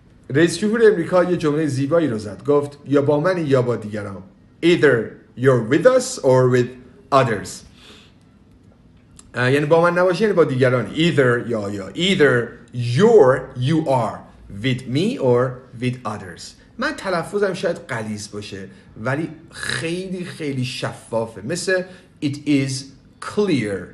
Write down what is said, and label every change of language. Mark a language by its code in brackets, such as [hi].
[fa] رئیس جمهور امریکا یه جمله زیبایی رو زد، گفت یا با من یا با دیگران. [en] Either you're with us or with others. [fa] یعنی با من نباشی یعنی با دیگران. [en] Either either you are with me or with others. [fa] من تلفظم شاید غلیظ باشه ولی خیلی خیلی شفافه، مثل [en] it is clear.